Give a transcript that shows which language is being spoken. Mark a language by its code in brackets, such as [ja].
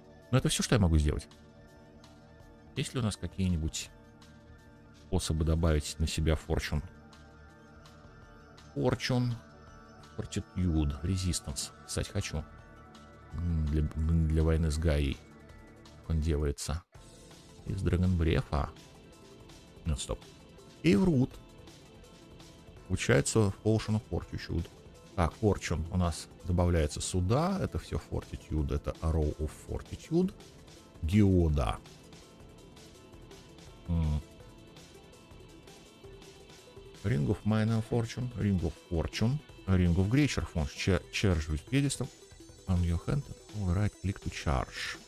[ru] Но это все, что я могу сделать. Есть ли у нас какие-нибудь способы добавить на себя Fortune? Fortune, Fortitude, Resistance. Кстати, хочу. Для войны с Гайей. Он делается из Драгонбрефа. Нет, стоп. Эйврут. Получается Ocean of Fortitude. Так, Fortune у нас добавляется сюда. Это все Fortitude. Это Arrow of Fortitude. Геода. Ring of Minor Fortune. Ring of Fortune. Ring of Greater Fortune. Charge with Pedestal. [en] On your hand, right click to charge.